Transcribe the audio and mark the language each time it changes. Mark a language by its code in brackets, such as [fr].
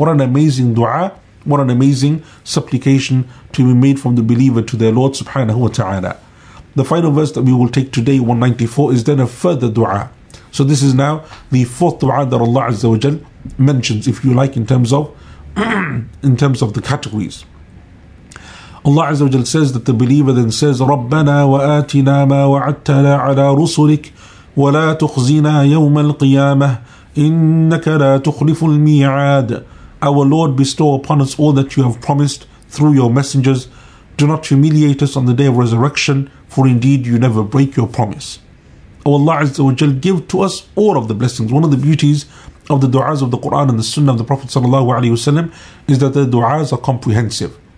[en] What an amazing dua, what an amazing supplication to be made from the believer to their Lord subhanahu wa ta'ala. The final verse that we will take today, 194, is then a further dua. So this is now the fourth dua that Allah Azza wa Jal mentions, if you like, in terms of the categories. Allah Azza wa Jal says that the believer then says, [ar] رَبَّنَا وَآتِنَا مَا وَعَدْتَنَا عَلَىٰ رُسُلِكَ وَلَا تُخْزِنَا يَوْمَ الْقِيَامَةِ إِنَّكَ لَا تُخْلِفُ الْمِيعَادِ. [en] Our Lord, bestow upon us all that you have promised through your messengers. Do not humiliate us on the day of resurrection, for indeed you never break your promise. O Allah Azza wa Jal, give to us all of the blessings. One of the beauties of the du'as of the Quran and the Sunnah of the Prophet sallallahu alayhi wa sallam is that the du'as are comprehensive.